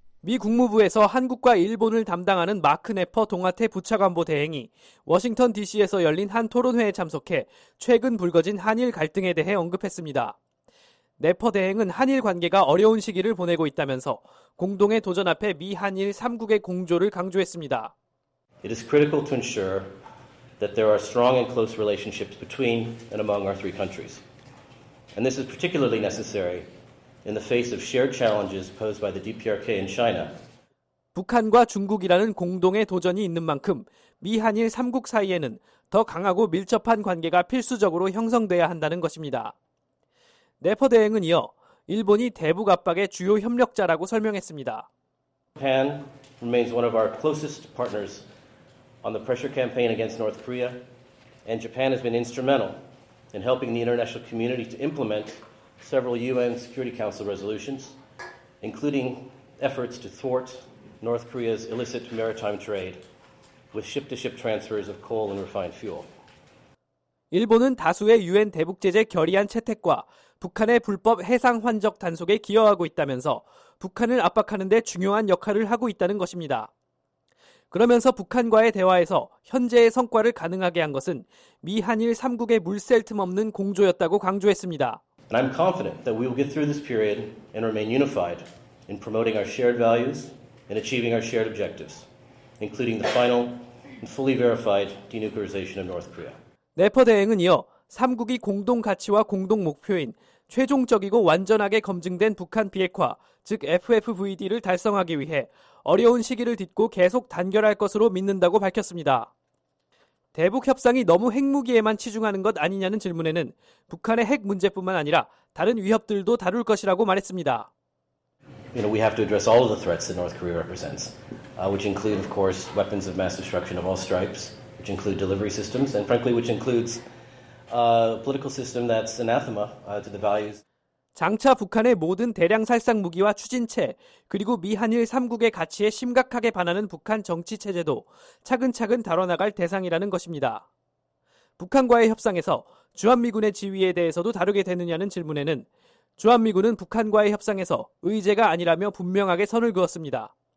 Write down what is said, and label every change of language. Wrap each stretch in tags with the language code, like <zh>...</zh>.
<ko>미 국무부에서 한국과 일본을 담당하는 마크 네퍼 동아태 부차관보 대행이 워싱턴 DC에서 열린 한 토론회에 참석해 최근 불거진 한일 갈등에 대해 언급했습니다. 네퍼 대행은 한일 관계가 어려운 시기를 보내고 있다면서 공동의 도전 앞에 미 한일 3국의 공조를 강조했습니다.</ko> <en>It is critical to ensure that there are strong and close relationships between and among our three countries. And this is particularly necessary in the face of shared challenges posed by the DPRK in China.</en> <ko>북한과 중국이라는 공동의 도전이 있는 만큼 미 한일 3국 사이에는 더 강하고 밀접한 관계가 필수적으로 형성돼야 한다는 것입니다. 네퍼 대행은 이어 일본이 대북 압박의 주요 협력자라고 설명했습니다.</ko> <en>Japan remains one of our closest partners on the pressure campaign against North Korea, and Japan has been instrumental in helping the international community to implement several UN Security Council resolutions, including efforts to thwart North Korea's illicit maritime trade with ship-to-ship transfers of coal and refined fuel.</en> <ko>일본은 다수의 UN 대북 제재 결의안 채택과 북한의 불법 해상 환적 단속에 기여하고 있다면서 북한을 압박하는 데 중요한 역할을 하고 있다는 것입니다. 그러면서 북한과의 대화에서 현재의 성과를 가능하게 한 것은 미한일 3국의 물샐 틈 없는 공조였다고 강조했습니다.</ko> <en>And I'm confident that we will get through this period and remain unified in promoting our shared values and achieving our shared objectives, including the final and fully verified denuclearization of North Korea.</en> <ko>네퍼 대행은 이어 3국이 공동 가치와 공동 목표인 최종적이고 완전하게 검증된 북한 비핵화, 즉 FFVD를 달성하기 위해 어려운 시기를 딛고 계속 단결할 것으로 믿는다고 밝혔습니다. 대북 협상이 너무 핵무기에만 치중하는 것 아니냐는 질문에는 북한의 핵 문제뿐만 아니라 다른 위협들도 다룰 것이라고 말했습니다.</ko> <en>You know, we have to address all of the threats that North Korea represents, which include, of course, weapons of mass destruction of all stripes, which include delivery systems, and frankly, which includes a political system that's anathema to the values.</en> <ko>장차 북한의 모든 대량 살상 무기와 추진체, 그리고 미한일 3국의 가치에 심각하게 반하는 북한 정치 체제도 차근차근 다뤄나갈 대상이라는 것입니다. 북한과의 협상에서 주한미군의 지위에 대해서도 다루게 되느냐는 질문에는 주한미군은 북한과의 협상에서 의제가 아니라며 분명하게 선을 그었습니다.</ko>